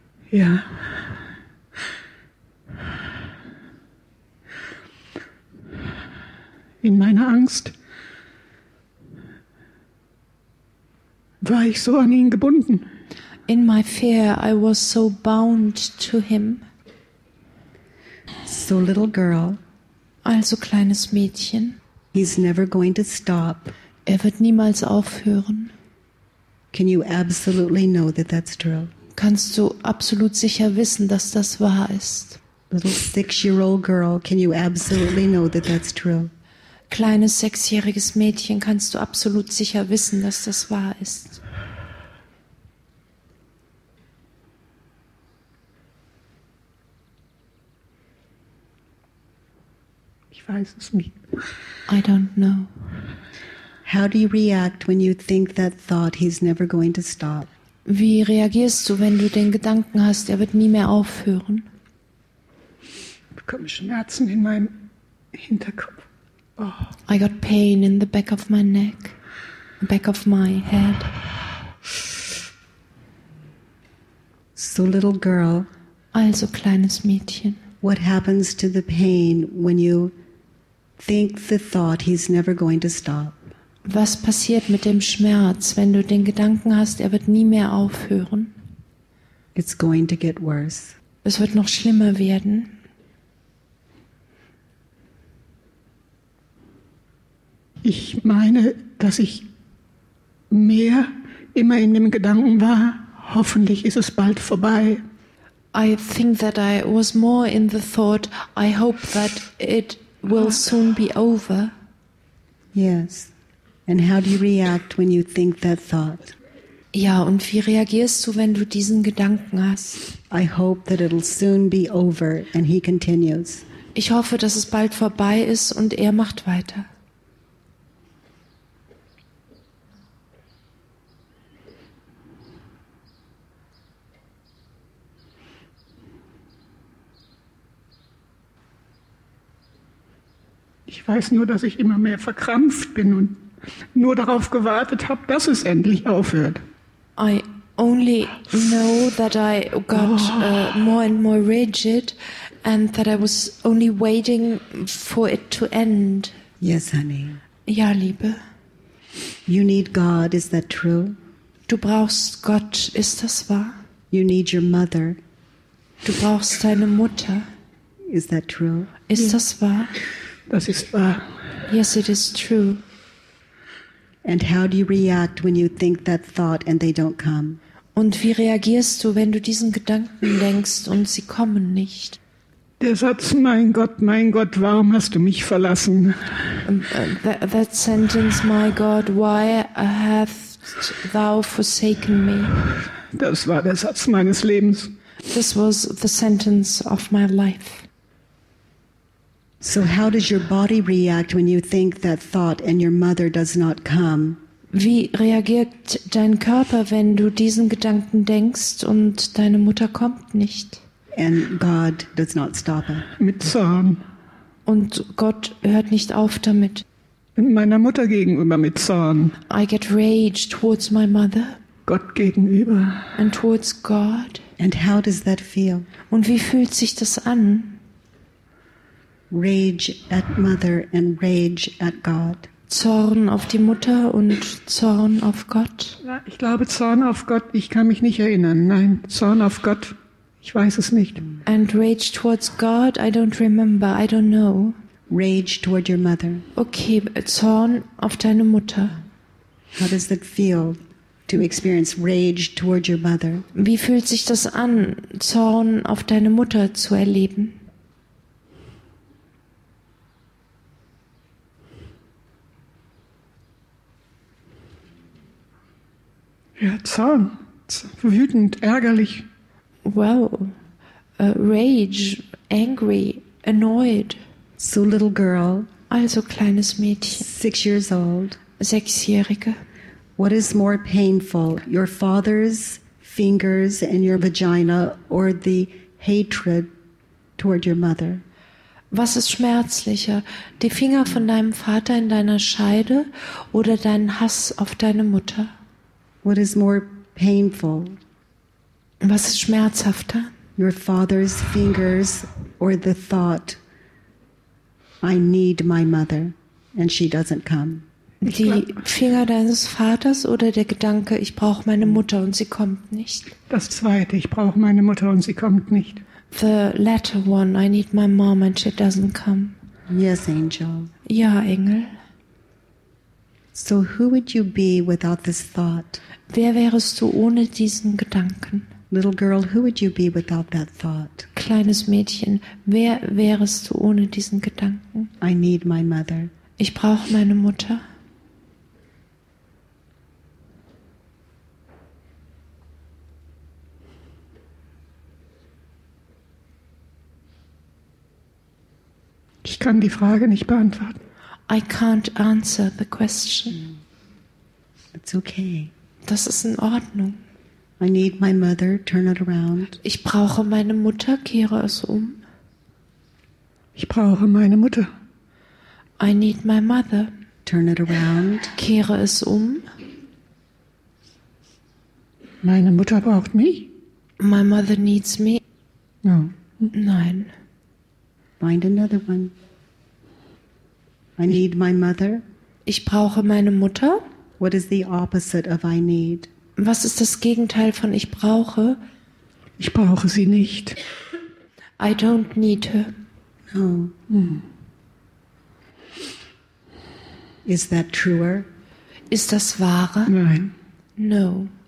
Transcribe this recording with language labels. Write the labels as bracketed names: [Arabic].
[German] Ja. In meiner Angst war ich so an ihn gebunden. [English] In my fear, I was so bound to him. So little girl. [German] Also kleines Mädchen. [English] He's never going to stop. [German] Er wird niemals aufhören. [English] Can you absolutely know that that's true? [German] Kannst du absolut sicher wissen, dass das wahr ist? [English] Little six-year-old girl, can you absolutely know that that's true? [German] Kleines sechsjähriges Mädchen, kannst du absolut sicher wissen, dass das wahr ist? Ich weiß es nicht. [English] I don't know. How do you react when you think that thought, he's never going to stop? [German] Wie reagierst du, wenn du den Gedanken hast, er wird nie mehr aufhören? Ich bekomme Schmerzen in meinem Hinterkopf. Oh. [English] I got pain in the back of my neck, back of my head. So little girl. [German] Also kleines Mädchen. [English] What happens to the pain when you think the thought he's never going to stop? [German] Was passiert mit dem Schmerz, wenn du den Gedanken hast, er wird nie mehr aufhören? [English] It's going to get worse. [German] Es wird noch schlimmer werden. Ich meine, dass ich mehr immer in dem Gedanken war, hoffentlich ist es bald vorbei. [English] I think that I was more in the thought, I hope that it will soon be over. Yes. And how do you react when you think that thought? [German] Ja, und wie reagierst du, wenn du diesen Gedanken hast? [English] I hope that it'll soon be over, and he continues. [German] Ich hoffe, dass es bald vorbei ist und er macht weiter. Ich weiß nur, dass ich immer mehr verkrampft bin und nur darauf gewartet habe, dass es endlich aufhört. [English] I only know that I got more and more rigid and that I was only waiting for it to end. Yes, honey. [German] Ja, Liebe. [English] You need God, is that true? [German] Du brauchst Gott, ist das wahr? [English] You need your mother. [German] Du brauchst deine Mutter. [English] Is that true? [German] Ist das wahr? Das ist wahr. [English] Yes, it is true. And how do you react when you think that thought and they don't come? [German] Und wie reagierst du, wenn du diesen Gedanken denkst und sie kommen nicht? Der Satz, mein Gott, warum hast du mich verlassen? [English] That sentence, my God, why hast thou forsaken me? [German] Das war der Satz meines Lebens. [English] This was the sentence of my life. So how does your body react when you think that thought and your mother does not come? [German] Wie reagiert dein Körper, wenn du diesen Gedanken denkst und deine Mutter kommt nicht? [English] And God does not stop it. [German] Mit Zorn. Und Gott hört nicht auf damit. Meiner Mutter gegenüber mit Zorn. [English] I get rage towards my mother. [German] Gott gegenüber. [English] And towards God. And how does that feel? [German] Und wie fühlt sich das an? [English] Rage at mother and rage at God. [German] Zorn auf die Mutter und Zorn auf Gott. Ja, ich glaube Zorn auf Gott. Ich kann mich nicht erinnern. Nein, Zorn auf Gott. Ich weiß es nicht. [English] And rage towards God. I don't remember. I don't know. Rage toward your mother. [German] Okay, Zorn auf deine Mutter. [English] How does that feel to experience rage toward your mother? [German] Wie fühlt sich das an, Zorn auf deine Mutter zu erleben? Ja, Zorn, wütend, ärgerlich. [English] Well, rage, angry, annoyed. So little girl. [German] Also kleines Mädchen. [English] 6 years old. [German] Sechsjährige. [English] What is more painful, your father's fingers in your vagina or the hatred toward your mother? [German] Was ist schmerzlicher, die Finger von deinem Vater in deiner Scheide oder dein Hass auf deine Mutter? [English] What is more painful? [German] Was ist schmerzhafter? [English] Your father's fingers or the thought, I need my mother and she doesn't come. [German] Die Finger deines Vaters oder der Gedanke, ich brauche meine Mutter und sie kommt nicht? Das zweite, ich brauche meine Mutter und sie kommt nicht. [English] The latter one, I need my mom and she doesn't come. Yes, Angel. [German] Ja, Engel. [English] So who would you be without this thought? [German] Wer wärest du ohne diesen Gedanken? [English] Little girl, who would you be without that thought? [German] Kleines Mädchen, wer wärest du ohne diesen Gedanken? [English] I need my mother. [German] Ich brauche meine Mutter. Ich kann die Frage nicht beantworten. [English] I can't answer the question. It's okay. [German] Das ist in Ordnung. [English] I need my mother. Turn it around. [German] Ich brauche meine Mutter. Kehre es um. Ich brauche meine Mutter. [English] I need my mother. Turn it around. [German] Kehre es um. Meine Mutter braucht mich. [English] My mother needs me. No. [German] Nein. [English] Find another one. I need my mother. [German] Ich brauche meine Mutter. [English] What is the opposite of I need? [German] Was ist das Gegenteil von ich brauche? Ich brauche sie nicht. [English] I don't need her. No. Is that truer? [German] Ist das wahrer? Nein. [English] No.